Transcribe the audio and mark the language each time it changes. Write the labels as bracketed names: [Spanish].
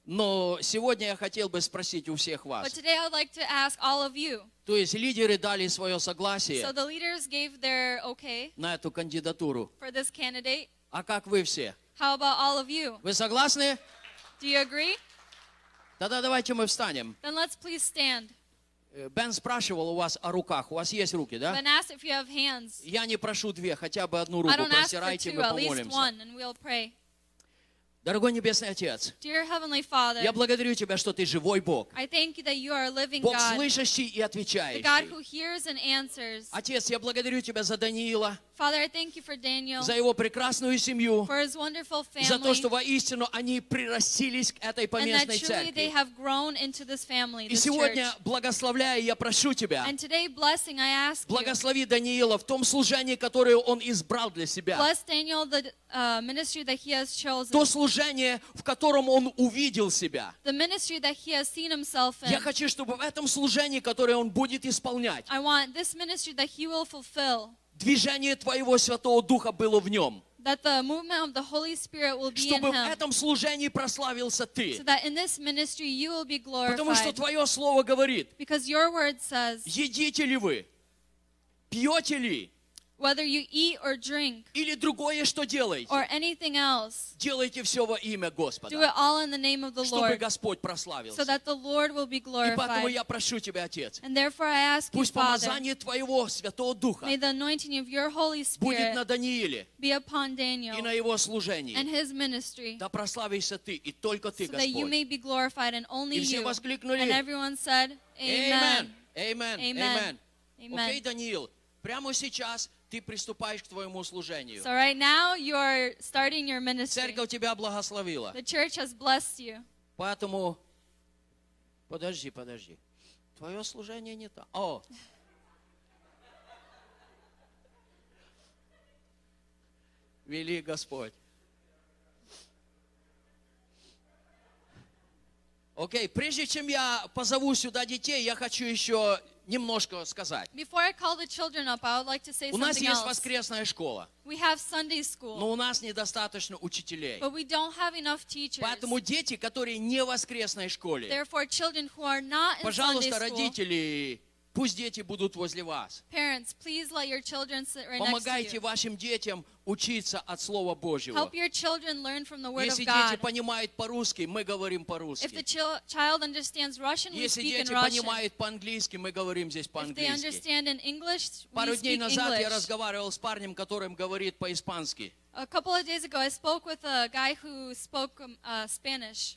[Russian] Но сегодня я хотел бы спросить у всех вас. [English] But today I'd like to ask all of you. [Russian] То есть лидеры дали своё согласие. [English] So the leaders gave their okay. [Russian] На эту кандидатуру. [English] For this candidate. [Russian] А как вы все? [English] How about all of you? [Russian] Вы согласны? [English] Do you agree? [Russian] Тогда давайте мы встанем. [English] Then let's please stand. [Russian] Бен спрашивал у вас о руках. У вас есть руки, да? [English] Ben asked if you have hands. [Russian] Я не прошу две, хотя бы одну руку. Простирайте, мы помолимся. Дорогой Небесный Отец, [English] Dear Heavenly Father, [Russian] я благодарю Тебя, что Ты живой Бог. [English] I thank you that you are a living [Russian] Бог [English] God, [Russian] слышащий и отвечающий. [English] The God who hears and answers. [Russian] Отец, я благодарю Тебя за Даниила, [English] Father, I thank you for Daniel, [Russian] за его прекрасную семью, [English] for his wonderful family, [Russian] за то, что воистину они прирастились к этой поместной [English] and that [Russian] церкви. [English] Truly they have grown into this family, this [Russian] и сегодня, [English] church. [Russian] Благословляя, я прошу Тебя, [English] and today, blessing, I ask [Russian] благослови [English] you, [Russian] Даниила в том служении, которое он избрал для себя. [English] Bless Daniel, the ministry that he has chosen. [Russian] То служение, в котором он увидел себя. [English] The ministry that he has seen himself in. [Russian] Я хочу, чтобы в этом служении, которое он будет исполнять, [English] I want this ministry that he will fulfill. [Russian] Движение Твоего Святого Духа было в нем. [English] That the movement of the Holy Spirit will be in him. [Russian] Чтобы в этом служении прославился Ты. [English] So that in this ministry you will be glorified. [Russian] Потому что Твое Слово говорит. [English] Because your word says. [Russian] Едите ли вы? Пьете ли? [English] Whether you eat or drink, [Russian] или другое, что делаете, [English] or anything else, [Russian] делайте все во имя Господа, [English] do it all in the name of the [Russian] чтобы [English] Lord, [Russian] Господь прославился, [English] so that the Lord will be glorified. [Russian] И поэтому я прошу Тебя, Отец, [English] and therefore I ask [Russian] пусть [English] you, [Russian] помазание [English] Father, [Russian] Твоего Святого Духа [English] may the anointing of your Holy Spirit [Russian] будет на Данииле [English] be upon Daniel, [Russian] и на его служении, [English] and his ministry, [Russian] да прославишься Ты и только Ты, [English] so [Russian] Господь. [English] That you may be glorified and only [Russian] и все [English] you. [Russian] Воскликнули. [English] And everyone said, Amen. Amen. Amen. Amen. [Russian] Окей, Даниил, прямо сейчас ты приступаешь к твоему служению. [English] So right now you are starting your ministry. [Russian] Церковь тебя благословила. [English] The church has blessed you. [Russian] Поэтому, подожди, подожди. Твое служение не то. О! Вели Господь. Окей, прежде чем я позову сюда детей, я хочу еще немножко сказать. [English] Before I call the children up, I would like to say something [Russian] у нас [English] else. [Russian] Есть воскресная школа. [English] We have Sunday school. [Russian] Но у нас недостаточно учителей. [English] But we don't have enough teachers. [Russian] Поэтому дети, которые не в воскресной школе. [English] Therefore, children who are not in [Russian] пожалуйста, [English] Sunday [Russian] родители, [English] school, [Russian] пусть дети будут возле вас. [English] Parents, please let your children sit right next to [Russian] помогайте вашим детям учиться от Слова Божьего. [English] Help your children learn from the Word [Russian] если [English] of God. [Russian] Если дети понимают по-русски, мы говорим по-русски. [English] If the child understands Russian, [Russian] если [English] we speak [Russian] дети [English] in Russian. [Russian] Понимают по-английски, мы говорим здесь по-английски. [English] If they understand in English, we speak English. [Russian] Пару дней назад я разговаривал с парнем, которым говорит по-испански. [English] A couple of days ago, I spoke with a guy who spoke Spanish.